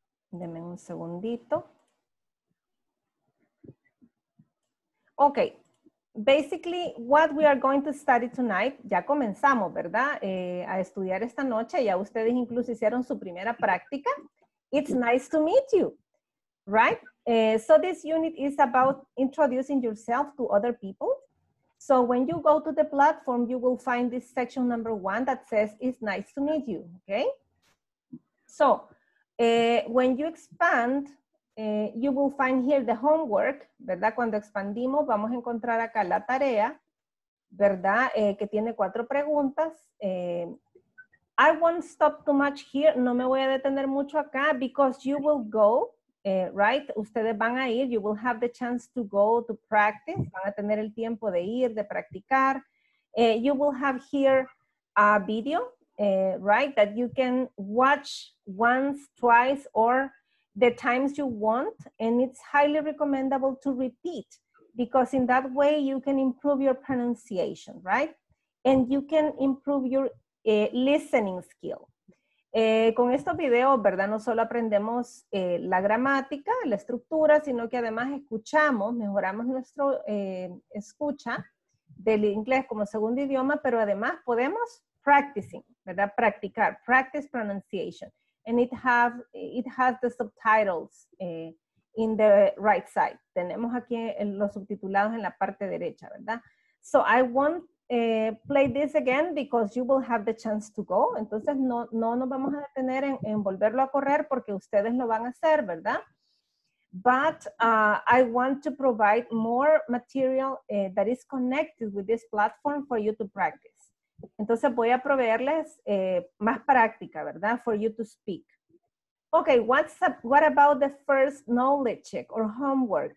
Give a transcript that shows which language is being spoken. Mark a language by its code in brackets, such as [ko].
[es] Deme un segundito. [en] Ok. Basically, what we are going to study tonight, [es] ya comenzamos, ¿verdad? A estudiar esta noche, ya ustedes incluso hicieron su primera práctica. [en] It's nice to meet you, right? So this unit is about introducing yourself to other people. So when you go to the platform, you will find this section number one that says, it's nice to meet you, okay? So when you expand, you will find here the homework, [es] ¿verdad? Cuando expandimos, vamos a encontrar acá la tarea, ¿verdad? Que tiene cuatro preguntas. [en] I won't stop too much here. [es] No me voy a detener mucho acá [en] because you will go, right? [es] Ustedes van a ir. [en] You will have the chance to go to practice. [es] Van a tener el tiempo de ir, de practicar. [en] You will have here a video, right? That you can watch once, twice, or the times you want, and it's highly recommendable to repeat because in that way you can improve your pronunciation, right? And you can improve your listening skill. [es] Con estos videos, ¿verdad? No solo aprendemos la gramática, la estructura, sino que además escuchamos, mejoramos nuestro escucha del inglés como segundo idioma, pero además podemos practicing, ¿verdad? Practicar, [en] practice pronunciation. And it has the subtitles in the right side. [es] Tenemos aquí los subtitulados en la parte derecha, ¿verdad? [en] So I won't play this again because you will have the chance to go. [es] Entonces no nos vamos a detener en volverlo a correr porque ustedes lo van a hacer, ¿verdad? [en] but I want to provide more material that is connected with this platform for you to practice. [es] Entonces voy a proveerles más práctica, ¿verdad? [en] For you to speak. Okay, what about the first knowledge check or homework?